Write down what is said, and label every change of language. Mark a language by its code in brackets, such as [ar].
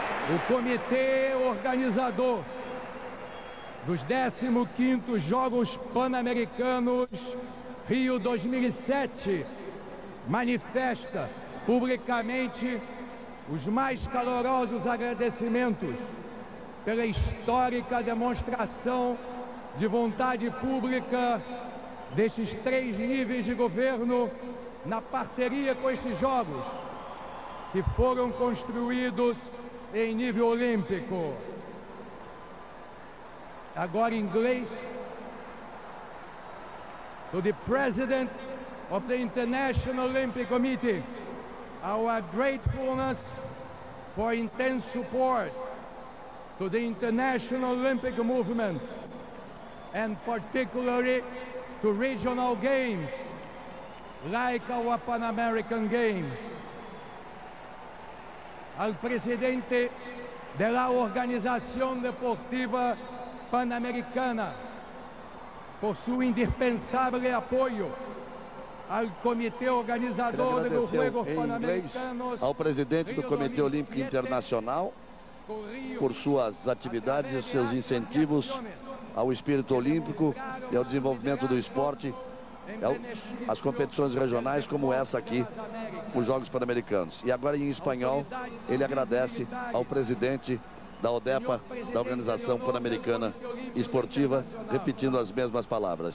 [pt] o comitê organizador dos 15º Jogos Pan-Americanos Rio 2007 manifesta publicamente os mais calorosos agradecimentos pela histórica demonstração de vontade pública destes três níveis de governo na parceria com estes Jogos, que foram construídos em nível olímpico. Agora em inglês, [en] to the President of the International Olympic Committee, our gratefulness for intense support to the International Olympic Movement, and particularly to regional games like our Panamerican Games. [es] Al presidente de la Organización Deportiva Panamericana, por su indispensable apoyo al comité organizador de los Juegos Panamericanos, [pt] ao presidente do Comitê Olímpico Internacional, por suas atividades e seus incentivos ao espírito olímpico e ao desenvolvimento do esporte, as competições regionais como essa aqui, os Jogos Pan-Americanos. E agora em espanhol, ele agradece ao presidente da ODEPA, da Organização Pan-Americana Esportiva, repetindo as mesmas palavras.